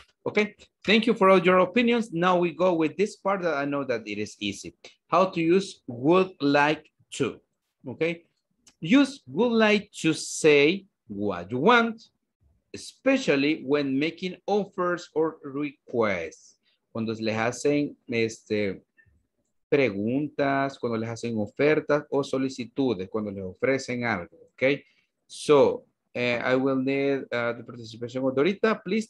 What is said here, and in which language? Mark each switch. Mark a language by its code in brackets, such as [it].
[en] Okay, thank you for all your opinions. Now we go with this part that I know that it is easy. How to use would like to, okay? Use would like to say what you want, especially when making offers or requests. [es] Cuando les hacen preguntas, cuando les hacen ofertas o solicitudes, cuando les ofrecen algo, okay? So, [en] I will need the participation of Dorita, please.